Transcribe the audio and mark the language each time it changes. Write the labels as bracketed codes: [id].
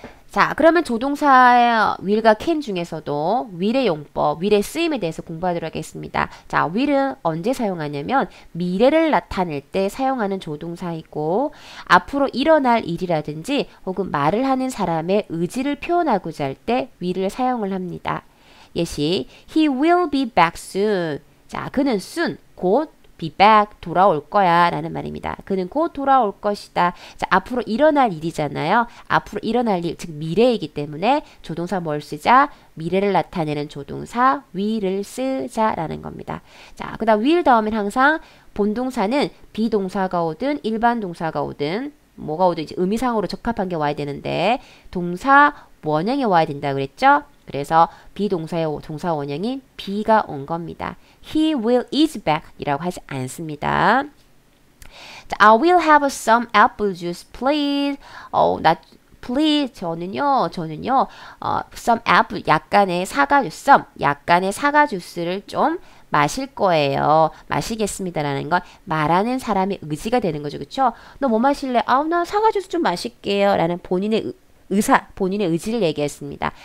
[ko] 자, 그러면 조동사의 will과 can 중에서도 will의 용법, will의 쓰임에 대해서 공부하도록 하겠습니다. 자, will은 언제 사용하냐면 미래를 나타낼 때 사용하는 조동사이고 앞으로 일어날 일이라든지 혹은 말을 하는 사람의 의지를 표현하고자 할때 will을 사용을 합니다. 예시, [en] he will be back soon. [ko] 자, 그는 soon, 곧 [en] be back, [ko] 돌아올 거야, 라는 말입니다. 그는 곧 돌아올 것이다. 자, 앞으로 일어날 일이잖아요. 앞으로 일어날 일, 즉 미래이기 때문에 조동사 뭘 쓰자? 미래를 나타내는 조동사 will을 쓰자라는 겁니다. 자, 그 다음 will 다음엔 항상 본동사는 be 동사가 오든 일반 동사가 오든 뭐가 오든 이제 의미상으로 적합한 게 와야 되는데 동사 원형에 와야 된다 그랬죠? 그래서 be 동사의 동사 원형이 be가 온 겁니다. [en] He will is back이라고 [ko] 하지 않습니다. 자, [en] I will have some apple juice, please. [ko] please 저는요, [en] some apple [ko] 약간의 사과 주스, some 약간의 사과 주스를 좀 마실 거예요. 마시겠습니다라는 건 말하는 사람의 의지가 되는 거죠, 그렇죠? 너뭐 마실래? 아, 나 사과 주스 좀 마실게요라는 본인의 의사, 본인의 의지를 얘기했습니다.